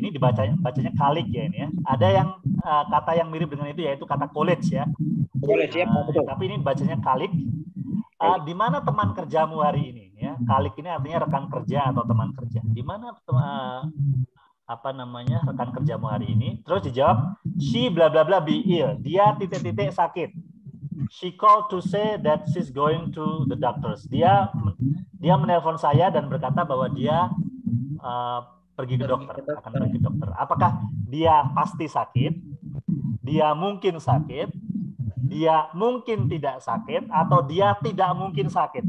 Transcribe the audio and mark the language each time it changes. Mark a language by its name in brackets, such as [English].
[Indonesian] Ini bacanya colleague ya ini ya. Ada yang kata yang mirip dengan itu yaitu kata college ya. College ya. Tapi ini bacanya colleague. Di mana teman kerjamu hari ini ya? Colleague ini artinya rekan kerja atau teman kerja. Di mana rekan kerjamu hari ini? Terus dijawab [English] she bla bla bla be ill. [Indonesian] Dia titik-titik sakit. [English] She called to say that she's going to the doctors. [Indonesian] Dia menelpon saya dan berkata bahwa dia pergi ke dokter. Apakah dia pasti sakit? Dia mungkin sakit? Dia mungkin tidak sakit? Atau dia tidak mungkin sakit?